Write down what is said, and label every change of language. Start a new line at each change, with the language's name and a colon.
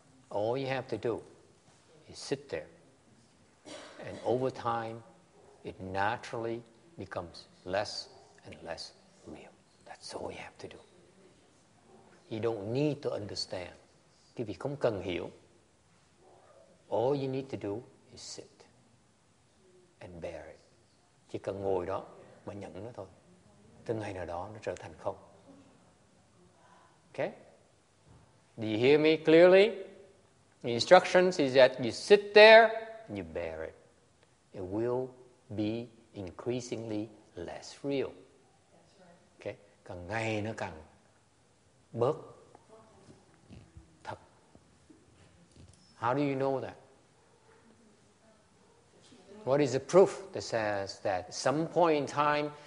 English: All you have to do is sit there. And over time, it naturally becomes less and less real. That's all you have to do. You don't need to understand.
Vietnamese: Quý vị không cần hiểu.
English: All you need to do is sit and bear it.
Vietnamese: Chỉ cần ngồi đó mà nhận nó thôi. Từ ngày nào đó nó trở thành không.
English: Okay? Do you hear me clearly? The instructions is that you sit there and you bear it. It will be increasingly less real. Okay?
Vietnamese: Càng ngày nó càng bớt thật.
English: How do you know that? What is the proof that says that some point in time